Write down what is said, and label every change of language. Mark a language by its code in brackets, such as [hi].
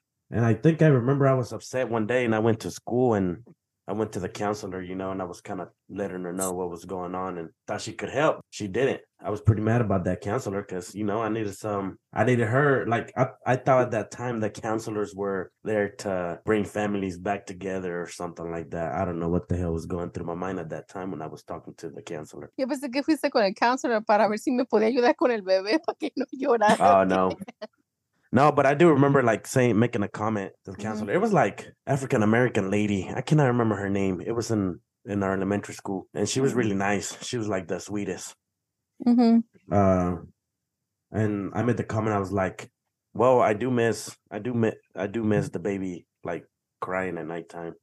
[en] And I think I remember I was upset one day and I went to school and I went to the counselor, and I was kind of letting her know what was going on and thought she could help. She didn't. I was pretty mad about that counselor because, I needed her. Like, I thought at that time the counselors were there to bring families back together or something like that. I don't know what the hell was going through my mind at that time when I was talking to the counselor. [es] Yo pensé que fuiste con el counselor para ver si me podía ayudar con el bebé para que no llorara. [en] Oh, no. No, but I do remember making a comment to the counselor. Mm-hmm. It was like African American lady. I cannot remember her name. It was in our elementary school, and she was really nice. She was like the sweetest. Mm-hmm. And I made the comment. I was like, "Well, I do miss the baby like crying at nighttime.